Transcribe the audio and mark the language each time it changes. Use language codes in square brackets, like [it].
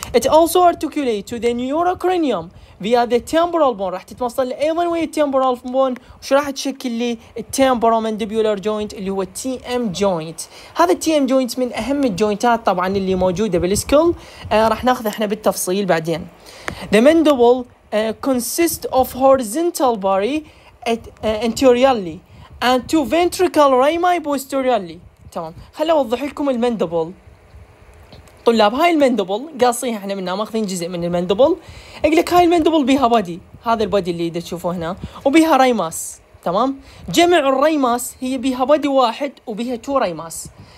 [en] It also articulate to the neurocranium via the temporal bone، [ar] راح تتوصل ايضا ويا التيمبرال بون، وش راح تشكل لي التيمبرومانديبولار جوينت اللي هو تي ام جوينت. هذا التي ام جوينت من اهم الجوينتات طبعا اللي موجوده بالسكول، راح ناخذ احنا بالتفصيل بعدين. [en] The mandible consists of horizontal body anteriorly and two ventricle rami posteriorly. [ar] تمام، خل اوضح لكم المندبل طلاب. هاي المندبل قاصيها احنا منها، ماخذين جزء من المندبل. اقول لك هاي المندبل بها بادي، هذا البادي اللي تشوفوه هنا، وبها ريماس. تمام، جمع الريماس هي بها بادي واحد وبها تو ريماس.